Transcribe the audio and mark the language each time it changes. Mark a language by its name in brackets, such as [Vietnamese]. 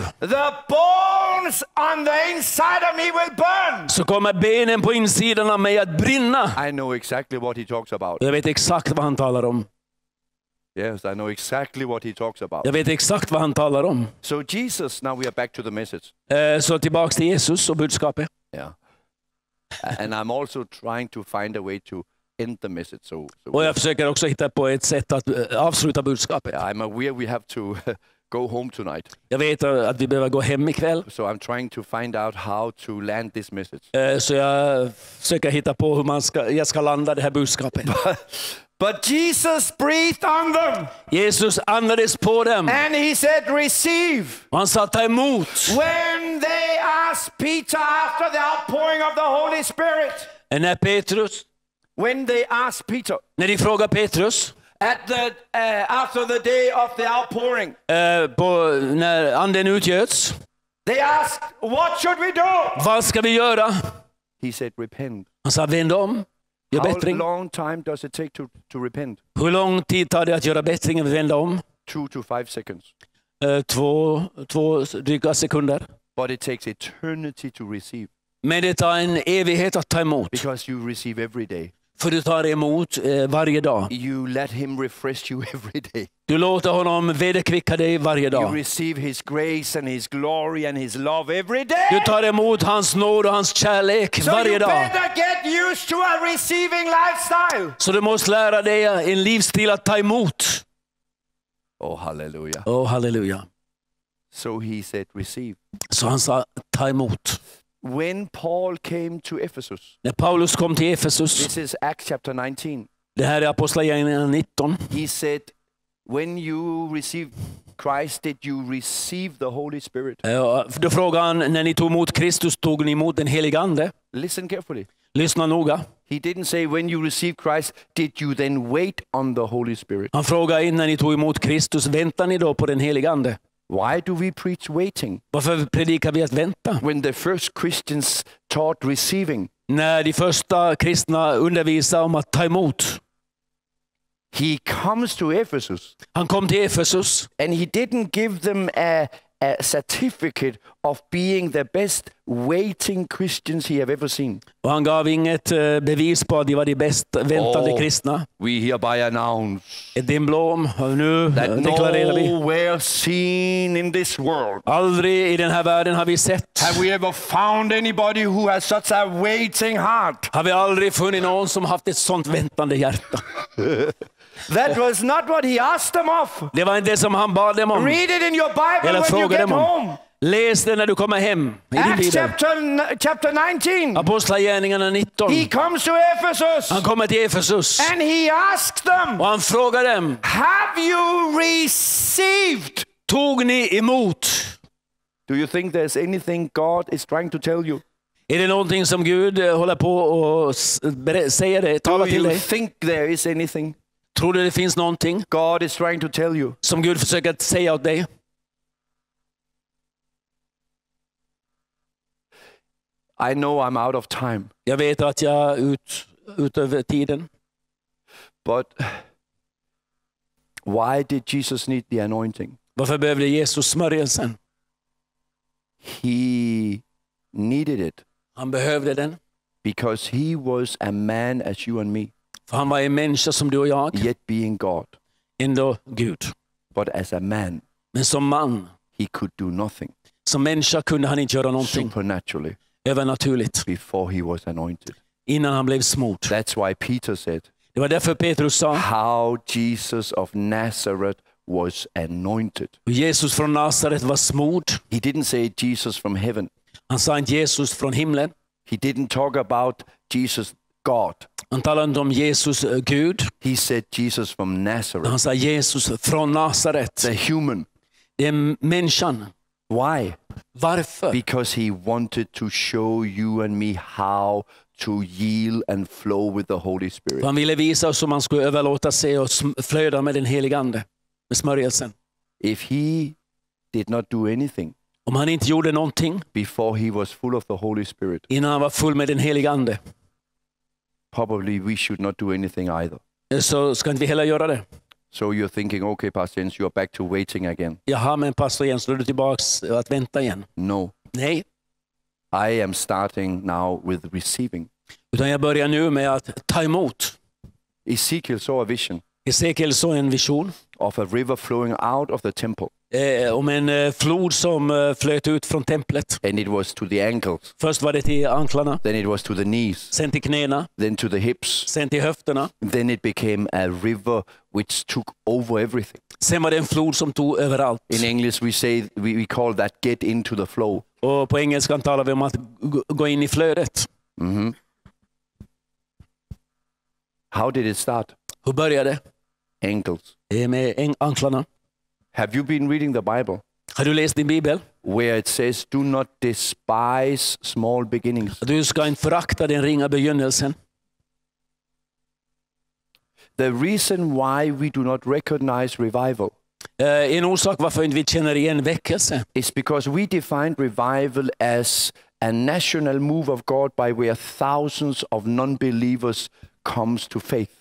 [English] The bones on the inside of me will burn. [Swedish] Så kommer benen på insidan av mig att brinna. [English] I know exactly what he talks about. [Swedish] Jag vet exakt vad han talar om. [English] Yes, I know exactly what he talks about. [Swedish] Jag vet exakt vad han talar om. [English] So Jesus, now we are back to the message. [Swedish] Så tillbaks till Jesus och budskapet. [English] Yeah. And I'm also trying to find a way to end the message. So. [Swedish] Och jag försöker också hitta på ett sätt att avsluta budskapet. [English] Yeah, I'm aware we have to go home tonight. [Swedish] Jag vet att vi behöver gå hem ikväll. [English] So I'm trying to find out how to land this message. [Swedish] Så jag försöker hitta på hur jag ska landa det här budskapet. [English] But Jesus breathed on them. [Swedish] Jesus andades på dem. [English] And he said, receive. [Swedish] Han sa, ta emot. [English] When they asked Peter after the outpouring of the Holy Spirit. [Swedish] And när Petrus [English] when they asked Peter, [Swedish] när de frågar Petrus, [English] at the after the day of the outpouring, [Swedish] på när anden utgjuts, [English] they asked, what should we do? [Swedish] Vad ska vi göra? [English] He said, repent. [Swedish] Han sa, vänd om, gör bättring. [English] How long time does it take to repent? [Swedish] Hur lång tid tar det att göra bättring och vända om? [English] 2 to 5 seconds. [Swedish] Två dryga sekunder. [English] But it takes eternity to receive. [Swedish] Men det tar en evighet att ta emot. [English] Because you receive every day. [Swedish] För du tar emot varje dag. [English] You let him refresh you every day. [Swedish] Du låter honom vederkvicka dig varje dag. [English] You receive his grace and his glory and his love every day. [Swedish] Du tar emot hans nåd och hans kärlek varje dag. [English] So you better get used to a receiving lifestyle. [Swedish] Så du måste lära dig en livsstil att ta emot. [English] Oh hallelujah. Oh hallelujah. So he said receive. [Swedish] Så han sa ta emot. [English] When Paul came to Ephesus. [Swedish] När Paulus kom till Ephesus. [English] This is Acts chapter 19. [Swedish] Det här är Apostlagärningarna 19. [English] He said when you received Christ did you receive the Holy Spirit? [Swedish] Då frågade han, när ni tog emot Kristus tog ni emot den helige ande? [English] Listen carefully. [Swedish] Lyssna noga. [English] He didn't say when you received Christ did you then wait on the Holy Spirit? [Swedish] Han frågade innan ni tog emot Kristus, väntar ni då på den helige ande? [English] Why do we preach waiting? [Swedish] Varför predikar vi att vänta? [English] When the first Christians taught receiving. [Swedish] När de första kristna undervisade om att ta emot. [English] He comes to Ephesus. [Swedish] Han kom till Ephesus. [English] And he didn't give them a certificate of being the best waiting Christians he have ever seen. [Swedish] Och han gav inget bevis på att de var de bäst väntande kristna. [English] We hereby announce [Swedish] ett emblem och nu deklarerar vi. [English] Nowhere seen in this world. [Swedish] Aldrig i den här världen har vi sett. [English] Have we ever found anybody who has such a waiting heart? [Swedish] Har vi aldrig funnit någon som haft ett sånt väntande hjärta? [English] That was not what he asked them of. [Swedish] Det var inte det som han bad dem om. [English] Read it in your Bible when you get home. [Swedish] Läs det när du kommer hem. [English] Acts chapter 19. [Swedish] Apostlagärningarna 19. [English] He comes to Ephesus. [Swedish] Han kommer till Ephesus. [English] And he asked them. [Swedish] Och han frågar dem. [English] Have you received? [Swedish] Tog ni emot? [English] Do you think there's anything God is trying to tell you? [Swedish] Är det någonting som Gud håller på att säga det, tala till dig? [English] Do you think there is anything? [Swedish] Tror du det finns någonting? [English] God is trying to tell you. [Swedish] Som Gud försöker säga åt dig. [English] I know I'm out of time. [Swedish] Jag vet att jag utöver tiden. [English] But why did Jesus need the anointing? [Swedish] Varför behövde Jesus smörjelsen? [English] He needed it. [Swedish] Han behövde den. [English] Because he was a man as you and me. [Swedish] För han var en människa som du och jag. [English] Yet being God. [Swedish] Ändå Gud. [English] But as a man. [Swedish] Men som man. [English] He could do nothing. [Swedish] Som människa kunde han inte göra någonting. [English] Supernaturally. [Swedish] Övernaturligt. [English] Before he was anointed. [Swedish] Innan han blev smort. [English] That's why Peter said. [Swedish] Det var därför Petrus sa. [English] How Jesus of Nazareth was anointed. [Swedish] Jesus från Nazaret var smort. [English] He didn't say Jesus from heaven. [Swedish] Han sa inte Jesus från himlen. [English] He didn't talk about Jesus God. [Swedish] Han talade inte om Jesus Gud. [English] He said Jesus from Nazareth. [Swedish] Han sa Jesus från Nazaret. [English] The human. [Swedish] Den människan. [English] Why? [Swedish] Varför? [English] Because he wanted to show you and me how to yield and flow with the Holy Spirit. [Swedish] Han ville visa oss hur man skulle överlåta sig och flöda med den helige ande, med smörjelsen. [English] If he did not do anything. [Swedish] Om han inte gjorde någonting. [English] Before he was full of the Holy Spirit. [Swedish] Innan han var full med den helige ande. [English] Probably we should not do anything either. [Swedish] Så ska inte vi heller göra det. [English] So you're thinking, okay, Pastor Jens, you're back to waiting again. [Swedish] Jaha, men Pastor Jens, är du tillbaks att vänta igen? [English] No. [Swedish] Nej. [English] I am starting now with receiving. [Swedish] Utan jag börjar nu med att ta emot. [English] Ezekiel saw a vision. [Swedish] Ezekiel såg en vision. [English] Of a river flowing out of the temple. [Swedish] Om en flod som flöt ut från templet. [English] And it was to the ankles. [Swedish] Först var det till anklarna. [English] Then it was to the knees. [Swedish] Sen till knäna. [English] Then to the hips. [Swedish] Sen till höfterna. [English] Then it became a river which took over everything. [Swedish] Sen var det en flod som tog överallt. [English] In English we say we call that get into the flow. [Swedish] Och på engelska talar vi om att gå in i flödet. Mm-hmm. [English] How did it start? [Swedish] Hur började det? [English] Ankles. [Swedish] Med anklarna. [English] Have you been reading the Bible? [Swedish] Har du läst din bibel? [English] Where it says do not despise small beginnings. [Swedish] Du ska inte förakta den ringa begynnelsen. [English] the reason why we do not recognize revival. [Swedish] En orsak varför inte vi känner igen väckelse. [English] It's because we define revival as a national move of God by where thousands of non-believers comes to faith.